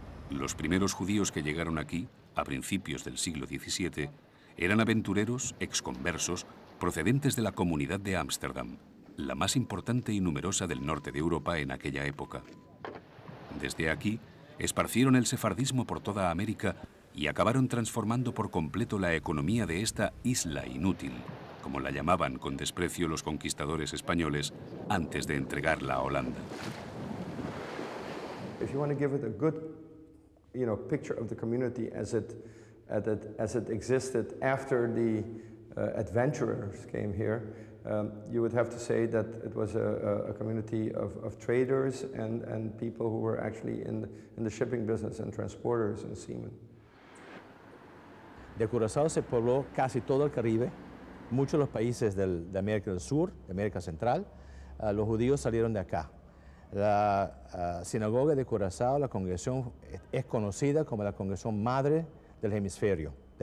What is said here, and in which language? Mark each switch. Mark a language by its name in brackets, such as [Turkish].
[Spanish] Los primeros judíos que llegaron aquí, a principios del siglo XVII, eran aventureros, exconversos, procedentes de la comunidad de Ámsterdam, la más importante y numerosa del norte de Europa en aquella época. Desde aquí, esparcieron el sefardismo por toda América y acabaron transformando por completo la economía de esta isla inútil, como la llamaban con desprecio los conquistadores españoles antes de entregarla a Holanda. [English] If you want to give it a good, you know, picture of the community as it existed after the adventurers came here, you would have to say that it was a community of traders and people who were actually in the shipping business and transporters and seamen. [Spanish] De Curazao se pobló casi todo el Caribe, muchos de los países de América del Sur, de América Central, los judíos salieron de acá. La sinagoga de Curazao, la congregación, es conocida como la congregación madre del hemisferio, de